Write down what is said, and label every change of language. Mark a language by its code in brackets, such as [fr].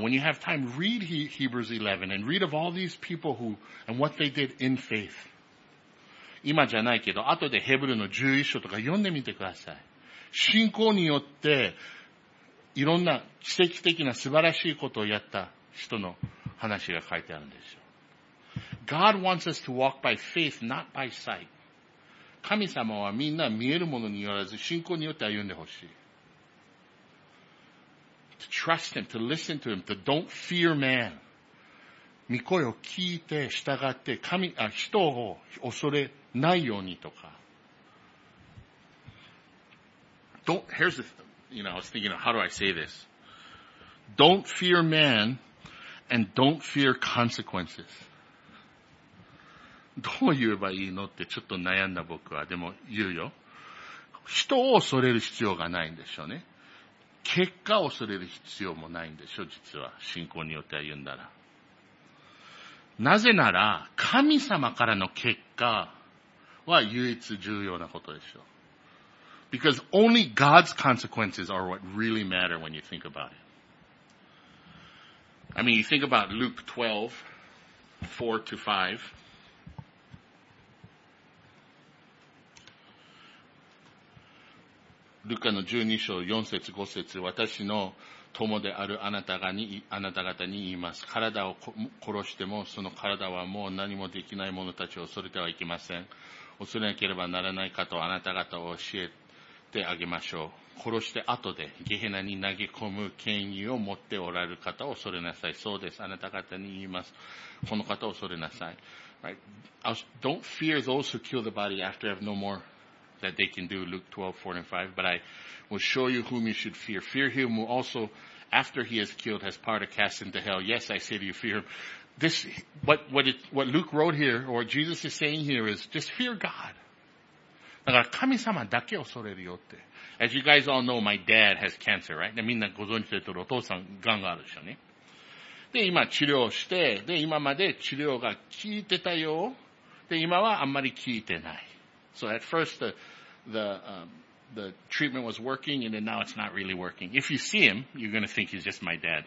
[en] When you have time, read Hebrews 11 and read of all these people who, and what they did in faith. [ja] 今じゃないけど、後でヘブルの11章とか読んでみてください。信仰によって、いろんな奇跡的な素晴らしいことをやった人の話が書いてあるんですよ。 [en] God wants us to walk by faith, not by sight. [ja] 神様はみんな見えるものによらず信仰によって歩んでほしい。 [en] To trust him, to listen to him, to don't fear man. [ja] 御声を聞いて従って神、あ、人を恐れないようにとか。 [en] I was thinking of how do I say this? Don't fear man and don't fear consequences. [ja] どう言えばいいのってちょっと悩んだ僕は、でも言うよ。人を恐れる必要がないんでしょうね。結果を恐れる必要もないんでしょう、実は。信仰によって歩んだら。なぜなら、神様からの結果は唯一重要なことでしょう。 [en] Because only God's consequences are what really matter when you think about it. I mean, you think about Luke 12:4-5. [ja] ルカの12章4節5節、私の友であるあなた方に言います。体を殺しても、その体はもう何もできない者たちを恐れてはいけません。恐れなければならないかとあなた方を教えてあげましょう。殺して後でゲヘナに投げ込む権威を持っておられる方を恐れなさい。そうです。あなた方に言います。この方を恐れなさい。 [en] Right. Don't fear those who kill the body after have no more. That they can do Luke 12:4-5, but I will show you whom you should fear. Fear him who also, after he is killed, has power to cast into hell. Yes, I say to you, fear him. This, what Luke wrote here, or Jesus is saying here is, just fear God. [ja] だから神様だけ恐れるよって。 [en] As you guys all know, my dad has cancer, right? [ja] みんなご存知ですけど、お父さんがんがあるでしょうね。で、今治療して、で、今まで治療が効いてたよ。で、今はあんまり効いてない。 [en] So at first the treatment was working and then now it's not really working. If you see him, you're going to think he's just my dad.